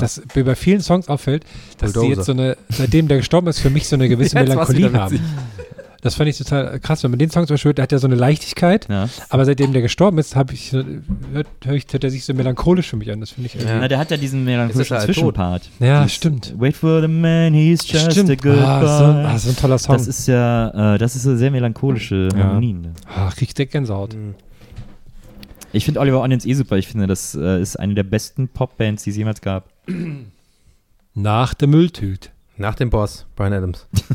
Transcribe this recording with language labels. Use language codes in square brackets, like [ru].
[de] Dass mir bei vielen Songs auffällt, dass sie jetzt seitdem der gestorben ist, für mich so eine gewisse Melancholie haben. Das fand ich total krass, wenn man den Song zum Beispiel hört, der hat ja so eine Leichtigkeit, aber seitdem der gestorben ist, hört er sich so melancholisch für mich an, das finde ich irgendwie. Ja. Na, der hat ja diesen melancholischen Zwischenpart. Ja, stimmt. [en] Wait for the man, he's just a good boy. [de] So ein toller Song. Das ist ja, das ist so sehr melancholische Harmonien. Ja. Ach, krieg ich direkt Gänsehaut. Ich finde Oliver Onions eh super, ich finde, das ist eine der besten Popbands, die es jemals gab. Nach der Mülltüte. Nach dem Boss, Bryan Adams.